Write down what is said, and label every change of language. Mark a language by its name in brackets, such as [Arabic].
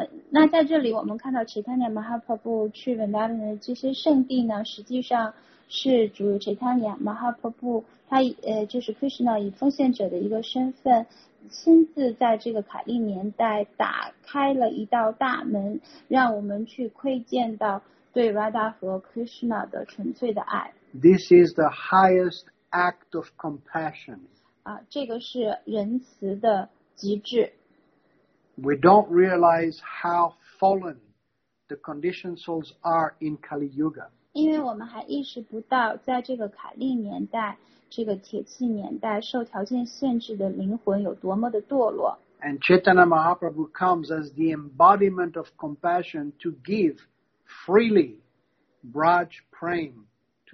[Chinese] 那在这里我们看到Chaitanya Mahaprabhu去Vrindavan的这些圣地呢，实际上是主Chaitanya Mahaprabhu他就是 Krishna 以奉献者的一个身份，亲自在这个卡利年代打开了一道大门，让我们去窥见到对 Radha 和 Krishna 的纯粹的爱。 [English] This is the highest act of compassion. [Chinese] 这个是仁慈的极致。 [English] We don't realize how fallen the conditioned souls are in Kali Yuga. [Chinese] 因为我们还意识不到，在这个卡利年代。这个铁器年代受条件限制的灵魂有多么的堕落。 [English] And Chaitanya Mahaprabhu comes as the embodiment of compassion to give freely Braj Prem to